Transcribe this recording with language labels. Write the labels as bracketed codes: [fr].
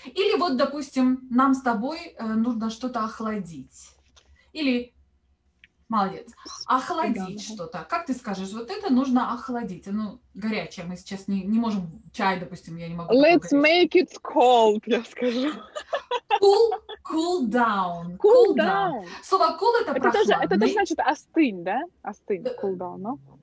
[ru] Или вот, допустим, нам с тобой нужно что-то охладить. Или... Молодец. Охладить что-то. Как ты скажешь, вот это нужно охладить. Ну, горячее. Мы сейчас не можем... Чай, допустим, я не могу... [en] Let's make it cold, [ru] я скажу. [en] Cool down. Cool down. [ru] Слово cool — это прохладный. Это тоже значит остынь, да? Остынь, cool down, ну?